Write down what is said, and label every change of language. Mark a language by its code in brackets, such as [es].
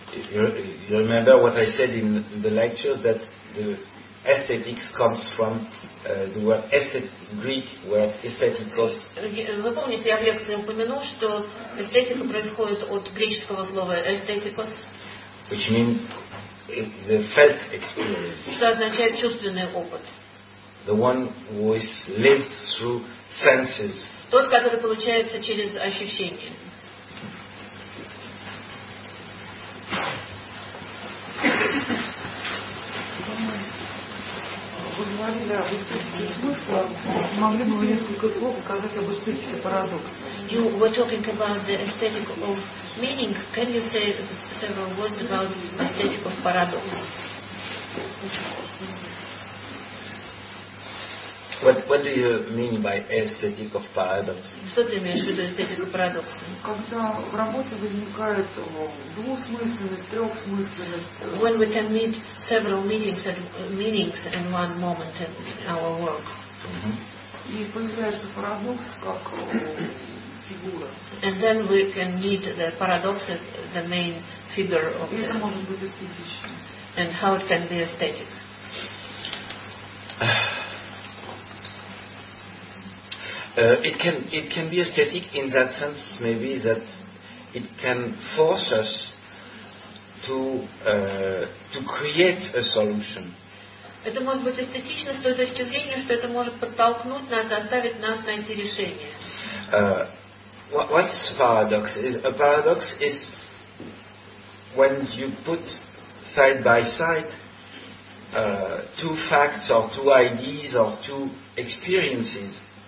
[en] You remember what I said in the lecture that the aesthetics comes from the word Greek word aesthetikos. [ru] Вы помните, я в лекции упомянул, что эстетика происходит от греческого слова aesthetikos, [en] which means the felt experience. [ru] Что означает чувственный опыт. [en] the one who is lived through senses. [ru] Тот, который получается через ощущения. Вы говорили об эстетике смысла. Могли бы вы несколько слов сказать об эстетике парадокса? [en] You were talking about the aesthetic of meaning. Can you say several words about aesthetic of paradox? What do you mean by aesthetic of paradox? [ru] Что ты имеешь в виду эстетика парадокса? Когда в работе возникает двусмысленность, трехсмысленность. [en] When we can meet several meanings and meanings in one moment in our work. [ru] И появляется парадокс как фигура. [en] And then we can meet the paradox as the main figure of. [ru] И это может быть эстетично. [en] And how it can be aesthetic. It can be aesthetic in that sense, maybe that it can force us to create a solution. [ru] Это может быть эстетично с той точки зрения, что это может подтолкнуть нас, заставить нас найти решение. [en] What's paradox? A paradox is when you put side by side two facts or two ideas or two experiences.